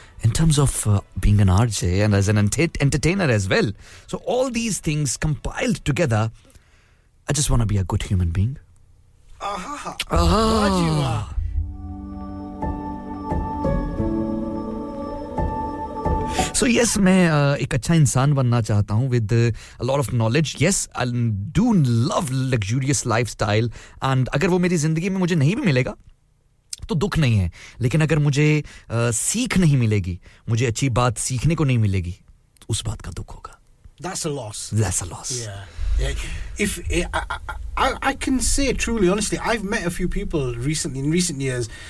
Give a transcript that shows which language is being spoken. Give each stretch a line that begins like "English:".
English: in terms of being an RJ and as an entertainer as well so all these things compiled together I just want to be a good human being So yes,
Hindi: मैं एक अच्छा इंसान बनना चाहता हूँ
English: with a lot of knowledge. Yes, I do love luxurious lifestyle.
Hindi: And अगर वो मेरी ज़िंदगी में मुझे नहीं भी मिलेगा, तो दुख नहीं है. लेकिन अगर मुझे सीख नहीं मिलेगी, मुझे अच्छी बात सीखने को नहीं मिलेगी, उस बात का दुख होगा.
English: That's a loss. That's a loss. Yeah. If I can say truly, honestly, I've met a few people in recent years.